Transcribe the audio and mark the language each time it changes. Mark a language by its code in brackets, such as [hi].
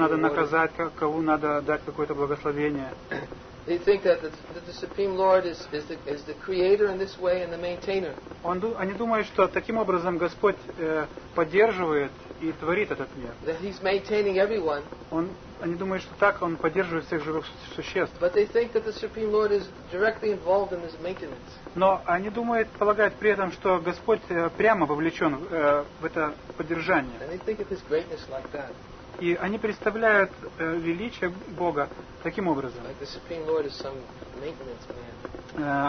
[ru] надо наказать, кого надо дать какое-то благословение. Они думают, что таким образом Господь поддерживает и творит этот мир. [en] That he's maintaining everyone. [ru] Они думают, что так он поддерживает всех живых существ. [en] But they think that the Supreme Lord is directly involved in his maintenance. [ru] Но они думают, полагают при этом, что Господь прямо вовлечен в это поддержание. [en] And they think of his greatness like that. [ru] И они представляют величие Бога таким образом. [en] Like the Supreme Lord is some maintenance man.